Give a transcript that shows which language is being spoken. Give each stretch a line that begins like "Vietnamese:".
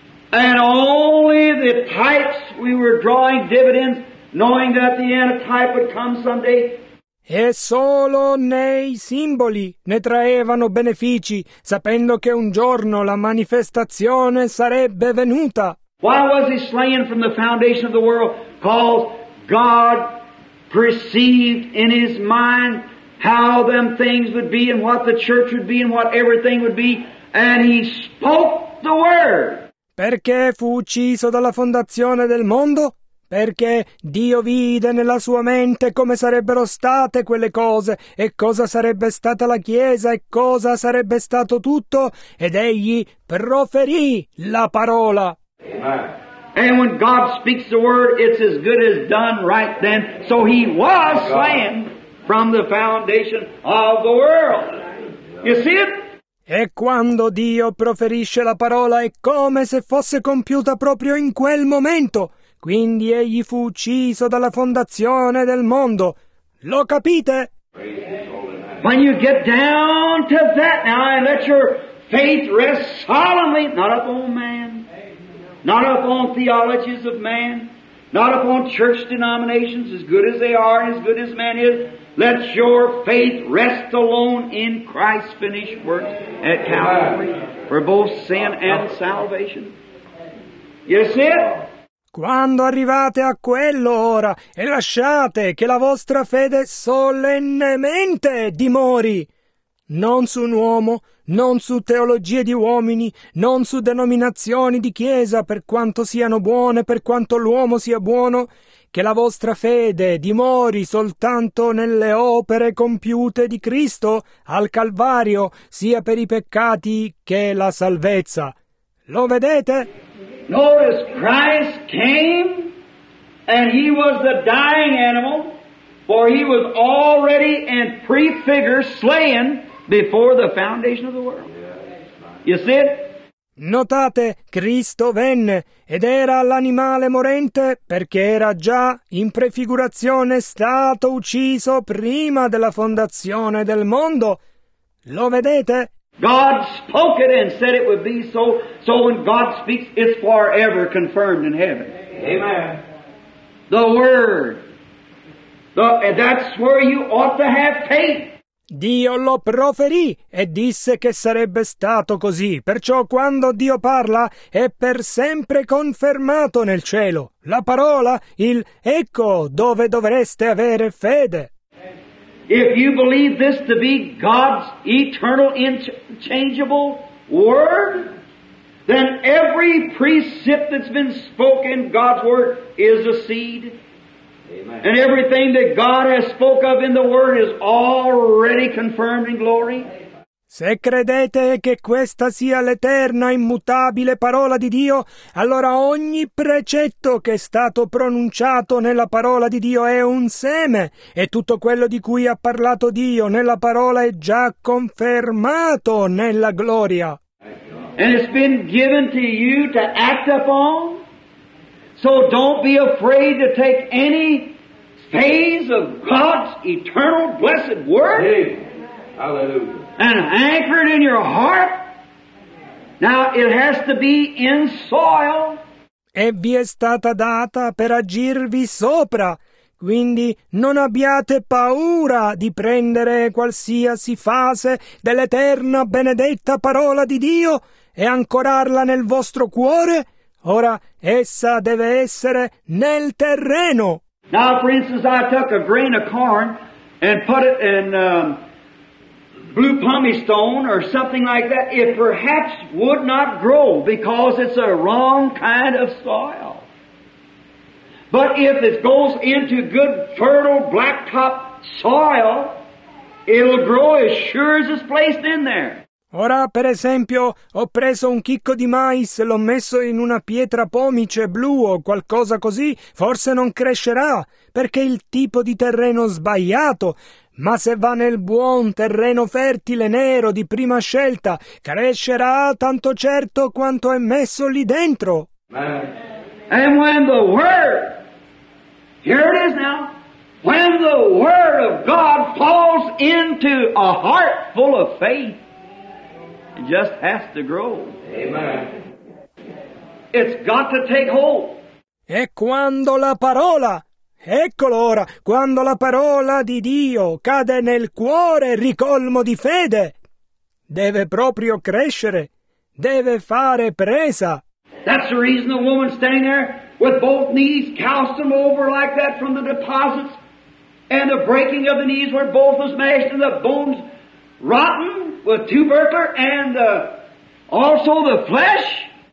English: And only the types we were drawing dividends, knowing that the antitype would come someday.
Italian: E solo nei simboli ne traevano benefici, sapendo che un giorno la manifestazione sarebbe venuta.
English: Why was he slain from the foundation of the world? Because God perceived in his mind how them things would be and what the church would be and what everything would be, and he spoke the word.
Italian: Perché fu ucciso dalla fondazione del mondo? Perché Dio vide nella sua mente come sarebbero state quelle cose, e cosa sarebbe stata la Chiesa, e cosa sarebbe stato tutto, ed egli proferì la parola.
English: And when God speaks the word, it's as good as done right then. So he was slain from the foundation of the world. You see it?
Italian: E quando Dio proferisce la parola è come se fosse compiuta proprio in quel momento. Quindi egli fu ucciso dalla fondazione del mondo. Lo capite?
English: When you get down to that now and let your faith rest solemnly, not upon man, not upon theologies of man, not upon church denominations, as good as they are, as good as man is, let your faith rest alone in Christ's finished work at Calvary for both sin and salvation. You see it?
Italian: Quando arrivate a quello ora e lasciate che la vostra fede solennemente dimori, non su un uomo, non su teologie di uomini, non su denominazioni di chiesa, per quanto siano buone, per quanto l'uomo sia buono, che la vostra fede dimori soltanto nelle opere compiute di Cristo al Calvario, sia per i peccati che la salvezza. Lo vedete?
English: Notice, Christ came and he was the dying animal, for he was already in prefigure slain before the foundation of the world. You see it?
Italian: Notate, Cristo venne ed era l'animale morente perché era già in prefigurazione stato ucciso prima della fondazione del mondo. Lo vedete?
English: God spoke it and said it would be so. So when God speaks, it's forever confirmed in heaven. Amen. The word. That's where you ought to have faith.
Italian: Dio lo proferì e disse che sarebbe stato così. Perciò quando Dio parla è per sempre confermato nel cielo. La parola, il ecco dove dovreste avere fede.
English: If you believe this to be God's eternal unchangeable word, then every precept that's been spoken, God's word, is a seed. Amen. And everything that God has spoke of in the word is already confirmed in glory.
Italian: Se credete che questa sia l'eterna, immutabile parola di Dio, allora ogni precetto che è stato pronunciato nella parola di Dio è un seme, e tutto quello di cui ha parlato Dio nella parola è già confermato nella gloria.
English: And it's been given to you to act upon, so don't be afraid to take any phase of God's eternal blessed word. Amen. Hallelujah. And anchor it in your heart. Now it has to be in soil.
Italian: E vi è stata data per agirvi sopra. Quindi non abbiate paura di prendere qualsiasi fase dell'eterna benedetta parola di Dio e ancorarla nel vostro cuore. Ora essa deve essere nel terreno.
English: Now, for instance, I took a grain of corn and put it in blue pumice stone or something like that, it perhaps would not grow because it's a wrong kind of soil. But if it goes into good, fertile, blacktop soil, it'll grow as sure as it's placed in there.
Italian: Ora, per esempio, ho preso un chicco di mais, l'ho messo in una pietra pomice blu o qualcosa così, forse non crescerà, perché il tipo di terreno sbagliato. Ma se va nel buon terreno fertile nero di prima scelta, crescerà tanto certo quanto è messo lì dentro.
English: And when the word, here it is now, when the word of God falls into a heart full of faith, it just has to grow. Amen. It's got to take hold.
Italian: E quando la parola, eccolo ora, quando la parola di Dio cade nel cuore ricolmo di fede, deve proprio crescere, deve fare presa.
English: That's the reason the woman standing there with both knees calcium over like that from the deposits and the breaking of the knees where both was smashed and the bones rotten with tubercular and also the flesh.